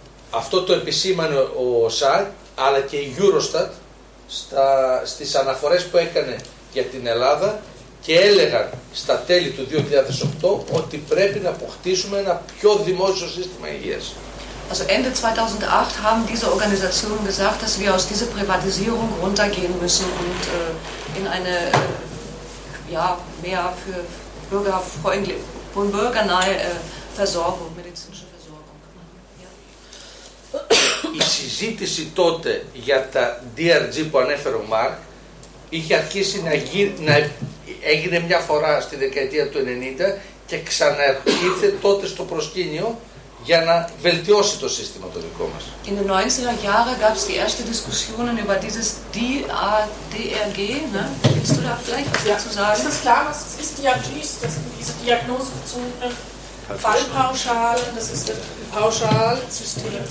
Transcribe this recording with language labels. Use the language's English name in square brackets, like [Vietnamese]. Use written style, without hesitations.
[Greek] Αυτό το επισήμανε ο ΣΑ, αλλά και η Eurostat, στις αναφορές που έκανε για την Ελλάδα και έλεγαν στα τέλη του 2008 ότι πρέπει να αποκτήσουμε ένα πιο δημόσιο σύστημα υγείας. [German] Also Ende 2008 haben diese Organisationen gesagt, dass wir aus dieser Privatisierung runtergehen müssen und in eine ja, mehr für bürgernahe Versorgung, medizinische Versorgung. [Greek] Η συζήτηση τότε για τα DRG που ανέφερε ο Μαρκ είχε αρχίσει να έγινε μια φορά στη δεκαετία του 90 και ξαναερχόταν τότε στο προσκήνιο για να βελτιώσει το σύστημα το δικό μας. [German] In den 90er Jahren gab es die ersten Diskussionen über dieses DRG, ne? Willst du da vielleicht was dazu sagen? Ist das klar, was das ist, DRG? Das sind diese diagnosebezogene Fallpauschalen, das ist ein Pauschalsystem